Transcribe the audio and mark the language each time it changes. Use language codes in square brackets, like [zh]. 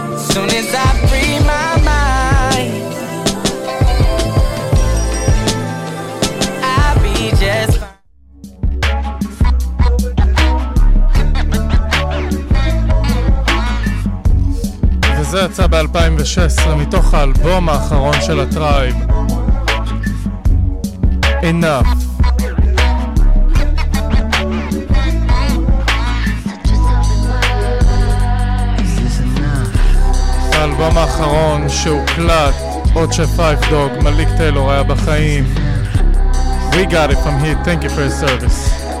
[en] Soon as I free my mind, I'll be just fine. [he] וזה יצא ב-2016 מתוך האלבום האחרון של הטרייב. [en] Enough. [he] האלבום האחרון שהוקלט עוד שפייב דוג מליק טיילור היה בחיים. [en] We got it from here, thank you for your service.